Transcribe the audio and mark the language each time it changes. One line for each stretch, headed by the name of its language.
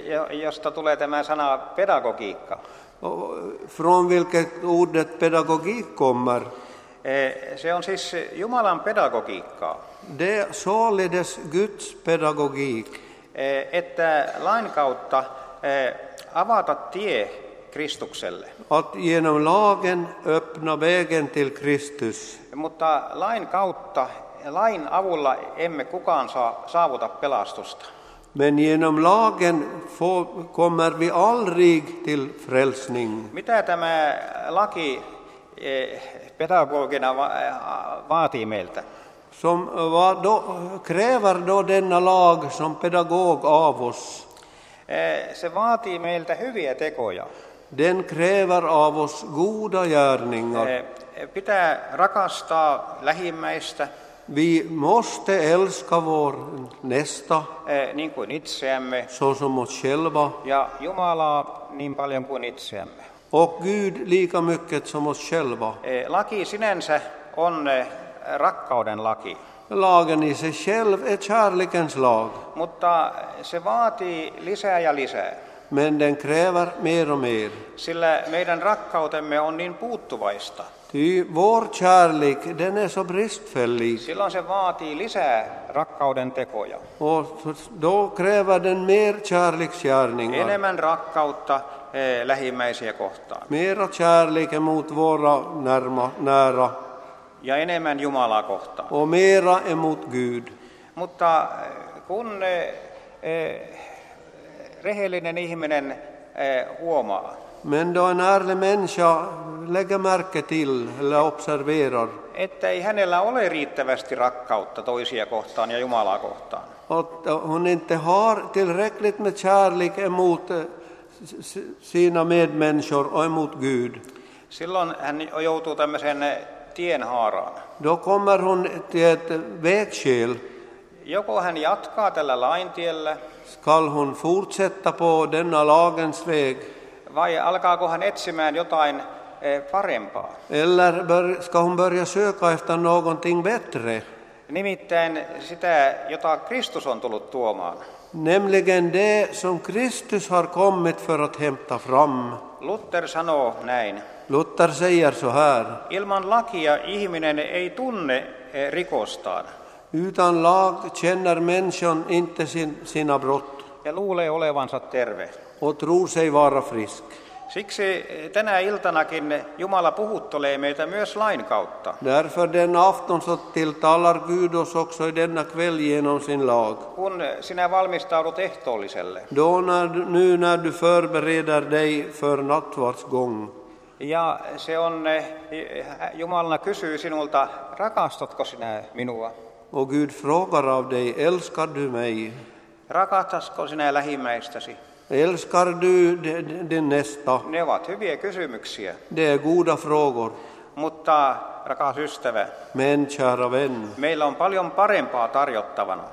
Finnish: Josta tulee tämä sana pedagogiikka.
Swedish: Från vilket ordet pedagogik kommer?
Finnish: Se on siis Jumalan pedagogiikkaa.
Swedish: Det är således Guds pedagogik.
Finnish: Että lain kautta avata tie Kristukselle.
Swedish: Att genom lagen öppna vägen till Kristus.
Finnish: Mutta lain kautta, lain avulla emme kukaan saavuta pelastusta.
Swedish: Men genom lagen kommer vi aldrig till frälsning.
Finnish: Mitä tämä laki pedagogina vaatii meiltä?
Swedish: Som vad då kräver då denna lag som pedagog av oss?
Finnish: Se vaatii meiltä hyviä tekoja.
Swedish: Den kräver av oss goda gärningar.
Finnish: Pitää rakastaa lähimmäistä.
Swedish: Vi måste älska vår nästa.
Finnish: Niin kuin itseämme.
Swedish: Så som oss själva.
Finnish: Ja Jumalaa niin paljon kuin itseämme.
Swedish: Och Gud lika mycket som oss själva.
Finnish: Laki sinänsä on rakkauden laki.
Swedish: Lagen i sig själv är kärlekens lag.
Finnish: Mutta se vaatii lisää ja lisää.
Swedish: Men den kräver mer och mer.
Finnish: Sillä meidän rakkautemme on niin puuttuvaista.
Swedish: Ty vår kärlek, den är så bristfällig.
Finnish: Silloin se vaatii lisää rakkauden tekoja.
Swedish: Och då kräver den mer kärleksgärningar.
Finnish: Enemmän rakkautta lähimmäisiä kohtaan.
Swedish: Mera kärlek emot våra nära.
Finnish: Ja enemmän Jumalaa kohtaan.
Swedish: Och mera emot Gud.
Finnish: Mutta kun rehellinen ihminen huomaa.
Swedish: Men då en ärlig människa lägger märke till eller observerar.
Finnish: Että ei hänellä ole riittävästi rakkautta toisia kohtaan ja Jumalaa kohtaan.
Swedish: Att hon inte har tillräckligt med kärlek emot sina medmänniskor och emot Gud.
Finnish: Silloin hän joutuu tämmöisen tienhaaraan.
Swedish: Då kommer hon till ett vägskäl.
Finnish: Joko hän jatkaa tällä laintiellä.
Swedish: Skall hon fortsätta på denna lagens väg?
Finnish: Vai alkaako hän etsimään jotain parempaa?
Swedish: Eller ska hon börja söka efter någonting bättre?
Finnish: Nimittäin sitä, jota Kristus on tullut tuomaan.
Swedish: Nämligen det som Kristus har kommit för att hämta fram.
Finnish: Luther sanoo näin.
Swedish: Luther säger så här.
Finnish: Ilman lakia ihminen ei tunne rikostaan.
Swedish: Utan lag känner människan inte sina brott.
Finnish: Ja luulee olevansa terve.
Swedish: Och tror sig vara frisk.
Finnish: Siksi tänä iltanakin Jumala puhuttelee meitä myös lain kautta.
Swedish: Därför den afton så tilltalar Gud oss också i denna kväll genom sin lag.
Finnish: Kun sinä valmistaudut ehtoolliselle.
Swedish: Då när, nu när du förbereder dig för nattvardsgång.
Finnish: Ja se on Jumalana kysyy sinulta, rakastatko sinä minua?
Swedish: Och Gud frågar av dig, älskar du mig?
Finnish: Rakastatko sinä lähimmäistäsi?
Swedish: Älskar du din nästa?
Finnish: Ne ovat hyviä kysymyksiä.
Swedish: Det är goda frågor.
Finnish: Mutta rakas ystävä.
Swedish: Men kära vän.
Finnish: Meillä on paljon parempaa tarjottavana.